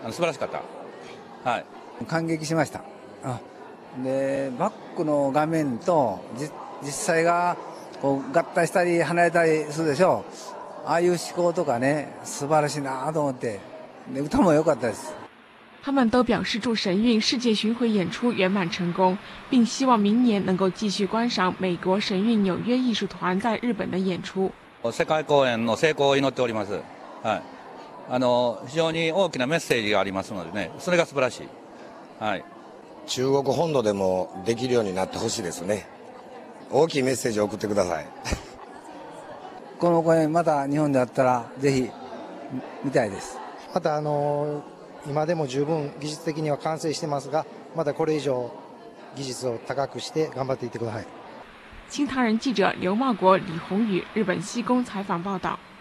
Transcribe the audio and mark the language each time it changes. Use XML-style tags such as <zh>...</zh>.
<ja>素晴らしかった。はい、感激しました。あでバックの画面と実際がこう合体したり離れたりするでしょう。ああいう思考とかね、素晴らしいなと思って、歌も良かったです。</ja> <zh>他们都表示祝神韵世界巡回演出圆满成功，并希望明年能够继续观赏美国神韵纽约艺术团在日本的演出。</zh> <ja>世界公演の成功を祈っております。はい、非常に大きなメッセージがありますのでね、それが素晴らしい。はい、中国本土でもできるようになってほしいですね。大きいメッセージを送ってください。この公演また日本であったらぜひ見たいです。また今でも十分技術的には完成してますが、またこれ以上技術を高くして頑張っていってください。</ja> <zh>新唐人記者刘茂国、李宏宇、日本西宫采访报道。</zh>